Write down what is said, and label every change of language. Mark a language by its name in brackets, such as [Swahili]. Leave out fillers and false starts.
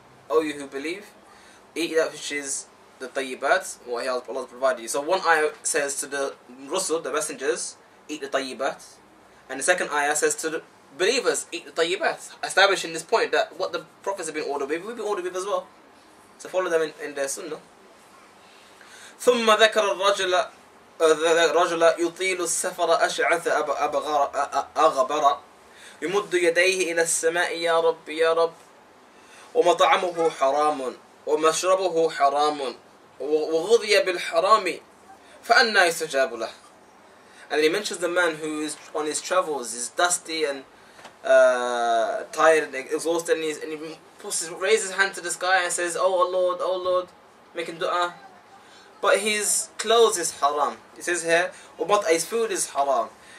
[English] O you who believe, eat that which is the tayyibat, what Allah has provided you. So one ayah says to the rusul, the messengers, eat the tayyibat. And the second ayah says to the believers, eat the tayyibat. Establishing this point that what the prophets have been ordered with, we've been ordered with as well. So follow them in their sunnah. [Arabic] ثُمَّ ذَكَرَ الرَّجُلَ الرجل يطيل السفر أشعث أغبر يمد يديه إلى السماء يا رب يا رب ومطعمه حرام ومشربه حرام وغضي بالحرام فأنا يستجاب له. [English] And he mentions the man who is on his travels, is dusty and tired and exhausted, and he raises his hand to the sky and says, oh Lord, making dua. But his clothes is haram. It says here, but his food is haram.